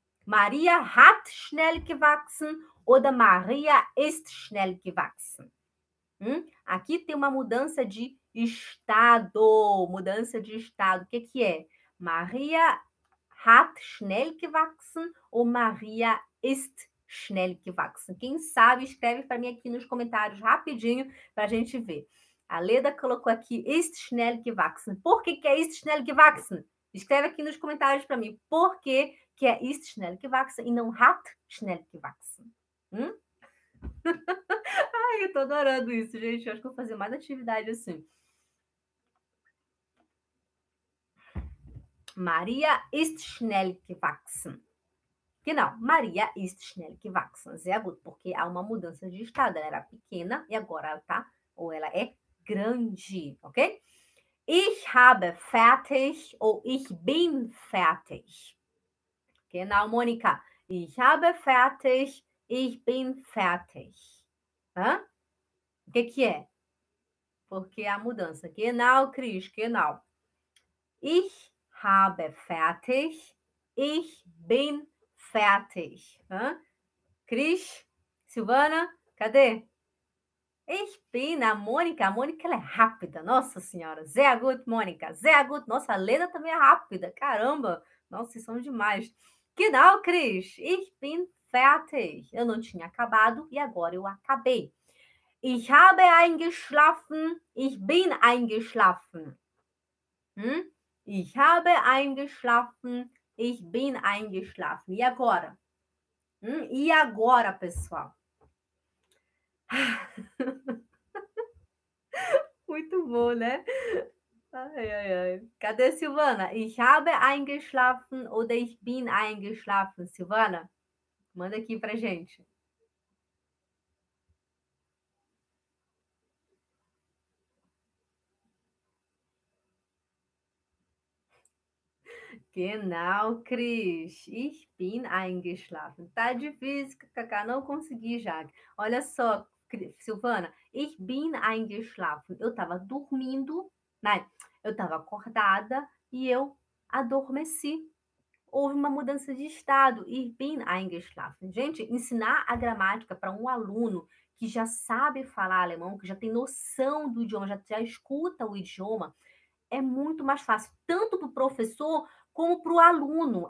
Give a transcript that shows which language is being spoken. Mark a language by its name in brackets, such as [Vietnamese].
[German] Maria hat schnell gewachsen oder Maria ist schnell gewachsen. [Portuguese] Aqui tem uma mudança de estado, mudança de estado. O que que é? [German] Maria hat schnell gewachsen [Portuguese] ou [German] Maria ist schnell gewachsen? [Portuguese] Quem sabe, escreve para mim aqui nos comentários rapidinho para a gente ver. A Leda colocou aqui [German] ist schnell gewachsen. [Portuguese] Por que que é [German] ist schnell gewachsen? [Portuguese] Escreve aqui nos comentários para mim. Por que é [German] ist schnell gewachsen [Portuguese] e não [German] hat schnell gewachsen? [Portuguese] Ai, eu tô adorando isso, gente. Eu acho que eu vou fazer mais atividade assim. [German] Maria ist schnell gewachsen. Genau, Maria ist schnell gewachsen. Sehr gut, [Portuguese] porque há uma mudança de estado. Ela era pequena e agora ela tá, ou ela é grande, ok? [German] Ich habe fertig [Portuguese] ou [German] ich bin fertig. Genau, Monika. Ich habe fertig, ich bin fertig. [Portuguese] Hã? O que que é? Porque a mudança. [German] Genau, Cris, genau. Ich habe fertig, ich bin fertig. [Portuguese] Hã? Cris, Silvana, cadê? Espina, a Mônica ela é rápida, nossa senhora, [German] sehr gut, Mônica, sehr gut, [Portuguese] nossa, a Lena também é rápida, caramba, nossa, são demais. [German] Genau, Cris, ich bin fertig, [Portuguese] eu não tinha acabado e agora eu acabei. [German] Ich habe eingeschlafen, ich bin eingeschlafen. Ich habe eingeschlafen, ich bin eingeschlafen. [Portuguese] E agora? E agora, pessoal? Muito bom, né? Ai, ai, ai. Cadê Silvana? [German] Ich habe eingeschlafen oder ich bin eingeschlafen. [Portuguese] Silvana, manda aqui pra gente. [German] Genau, Cris. Ich bin eingeschlafen. [Portuguese] Tá difícil, Cacá. Não consegui, Jaque. Olha só. [German] Silvana, ich bin eingeschlafen. [Portuguese] Eu estava dormindo, né? Eu estava acordada e eu adormeci. Houve uma mudança de estado. [German] Ich bin eingeschlafen. [Portuguese] Gente, ensinar a gramática para um aluno que já sabe falar alemão, que já tem noção do idioma, já escuta o idioma, é muito mais fácil, tanto para o professor como para o aluno.